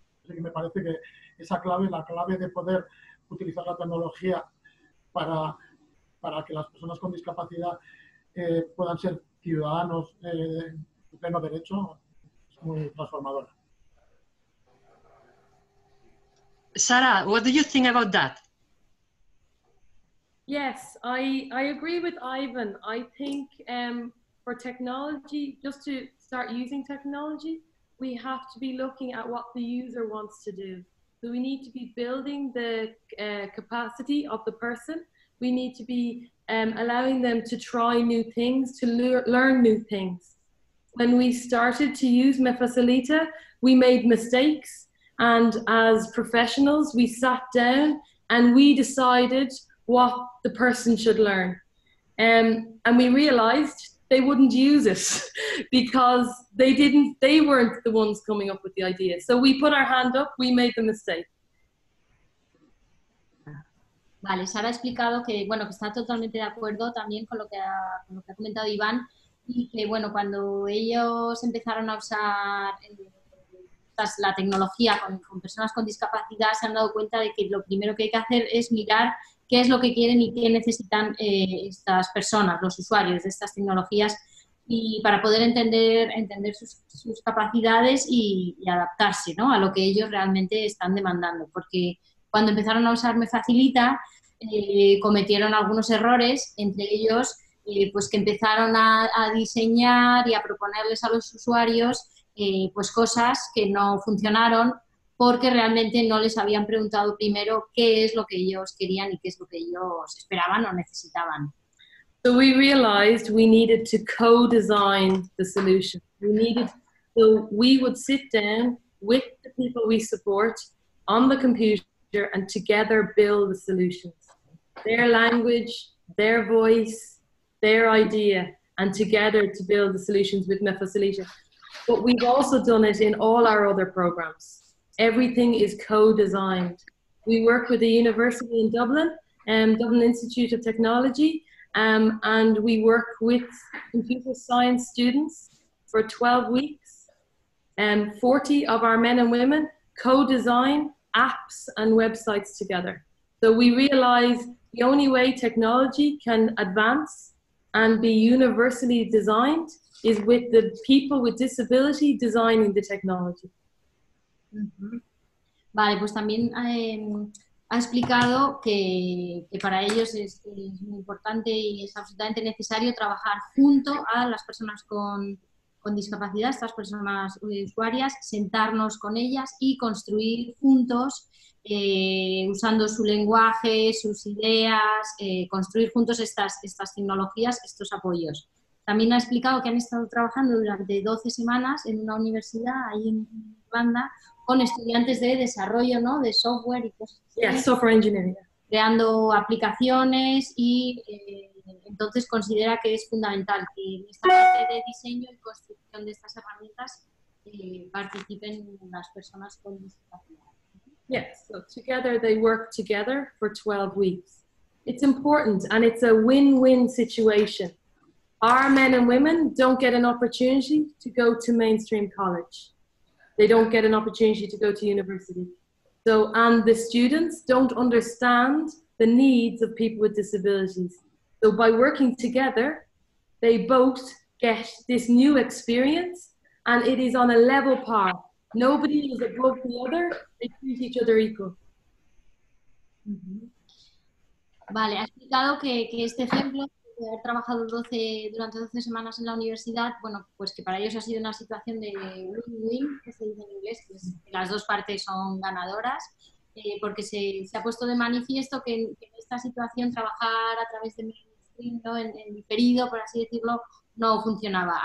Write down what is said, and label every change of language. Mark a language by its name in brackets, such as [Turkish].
[Spanish] Así que me parece que esa clave, la clave de poder utilizar la tecnología para que las personas con discapacidad puedan ser ciudadanos de pleno derecho, es muy transformadora. [English] Sara, what do you think about that? Yes, I agree with Ivan. I think for technology, just to start using technology, we have to be looking at what the user wants to do. So we need to be building the capacity of the person. We need to be allowing them to try new things, to learn new things. When we started to use MeFacilita, we made mistakes. And as professionals, we sat down and we decided what the person should learn. And we realized they wouldn't use it because they weren't the ones coming up with the idea. So we put our hand up, we made the mistake. [Spanish] Vale, Sara ha explicado que, bueno, que está totalmente de acuerdo también con lo que ha comentado Iván y que, bueno, cuando ellos empezaron a usar la tecnología con personas con discapacidad se han dado cuenta de que lo primero que hay que hacer es mirar qué es lo que quieren y qué necesitan estas personas, los usuarios de estas tecnologías y para poder entender sus capacidades y adaptarse, ¿no?, a lo que ellos realmente están demandando porque cuando empezaron a usar MeFacilita cometieron algunos errores, entre ellos pues que empezaron a diseñar y a proponerles a los usuarios pues cosas que no funcionaron porque realmente no les habían preguntado primero qué es lo que ellos querían y qué es lo que ellos esperaban o necesitaban. [English] So we realized we needed to co-design the solution. So we would sit down with the people we support on the computer and together build the solutions. Their language, their voice, their idea, and together to build the solutions with MeFacilita. But we've also done it in all our other programs. Everything is co-designed. We work with a university in Dublin, Dublin Institute of Technology, and we work with computer science students for 12 weeks. 40 of our men and women co-design apps and websites together. So we realize the only way technology can advance and be universally designed is with the people with disability designing the technology. Mm-hmm. [Spanish] Vale, pues también ha explicado que para ellos es muy importante y es absolutamente necesario trabajar junto a las personas con discapacidad, estas personas usuarias, sentarnos con ellas y construir juntos, usando su lenguaje, sus ideas, construir juntos estas tecnologías, estos apoyos. También ha explicado que han estado trabajando durante 12 semanas en una universidad, ahí en Irlanda, con estudiantes de desarrollo, ¿no?, de software y cosas así. [English] Yeah, software engineering. [Spanish] Creando aplicaciones y... entonces considera que es fundamental que en esta parte de diseño y construcción de estas herramientas participen las personas con discapacidad. [English] Yes, so together they work together for 12 weeks. It's important and it's a win-win situation. Our men and women don't get an opportunity to go to mainstream college. They don't get an opportunity to go to university. So, and the students don't understand the needs of people with disabilities. So by working together, they both get this new experience, and it is on a level par. Nobody is above the other. They treat each other equal. Mm-hmm. [Spanish] Vale, ha explicado que este ejemplo de haber trabajado durante 12 semanas en la universidad, bueno, pues que para ellos ha sido una situación de win-win, que se dice en inglés, pues que las dos partes son ganadoras, porque se ha puesto de manifiesto que en esta situación trabajar a través de mainstream, ¿no?, en diferido, por así decirlo, no funcionaba.